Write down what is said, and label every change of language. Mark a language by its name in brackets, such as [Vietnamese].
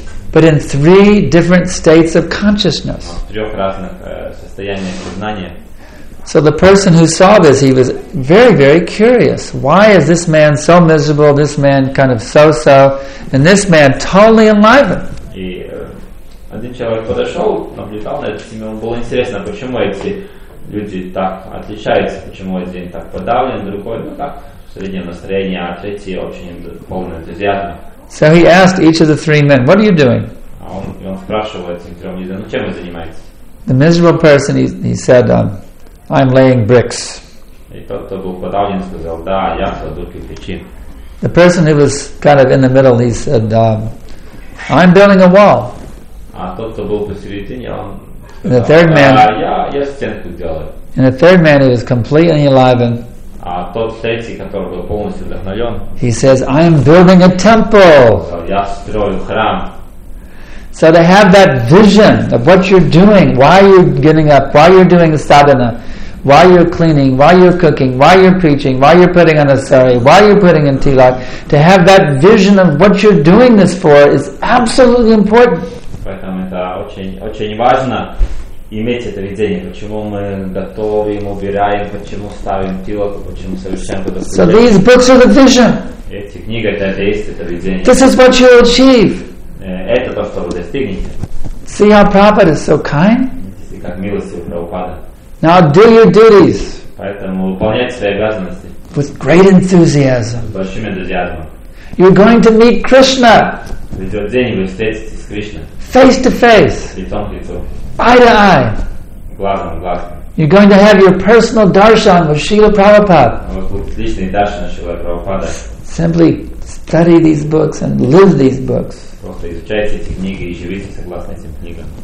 [English] But in three different states of consciousness. So the person who saw this, he was very, very curious. Why is this man so miserable, this man kind of so-so, and this man totally enlivened? [Russian] Один человек подошел, наблюдал на этот семью, ему было интересно, почему эти люди так отличаются, почему один так подавлен, другой, ну так, в среднем настроении, а третий очень полный энтузиазм. [English] So he asked each of the three men, what are you doing? [Russian] Он спрашивал этим трем людям, ну чем вы занимаетесь? [English] The miserable person, he said, I'm laying bricks. [Russian] И тот, кто был подавлен, сказал, да, я кладу кирпичи. [English] The person who was kind of in the middle, he said, I'm building a wall. [Russian] А тот, кто был посередине, он [English] the third man, [Russian] я стенку делаю. [English] And the third man is completely alive. [Russian] А тот третий, который был полностью вдохновлен. [English] He says, I am building a temple. [Russian] Я строю храм. [English] So to have that vision of what you're doing, why you're getting up, why you're doing the sadhana, why you're cleaning, why you're cooking, why you're preaching, why you're putting on a sari, why you're putting in tilak, to have that vision of what you're doing this for is absolutely important. [Russian] Поэтому это очень важно иметь это видение, почему мы готовим, убираем, почему ставим тилок, почему совершаем это. [English] So these books are the vision. [Russian] Эти книги это видение. [English] This is what you'll achieve. [Russian] Это то, что вы достигнете. [English] See how Prabhupada is so kind. [Russian] Видите, как милостив Прабхупада. [English] Now do your duties. [Russian] Поэтому выполняйте свои обязанности. [English] With great enthusiasm. [Russian] С большим энтузиазмом. [English] You're going to meet Krishna. [Russian] В этот день вы встретитесь с Кришной. [English] Face to face. [Russian] Лицом к лицу. [English] Eye to eye. [Russian] Глазом к глазу. [English] You're going to have your personal darshan with Srila Prabhupada. [Russian] Вы будете личный даршан Шрила Прабхупада. [English] Simply study these books and live these books. [Russian] Просто изучайте эти книги и живите согласно этим книгам.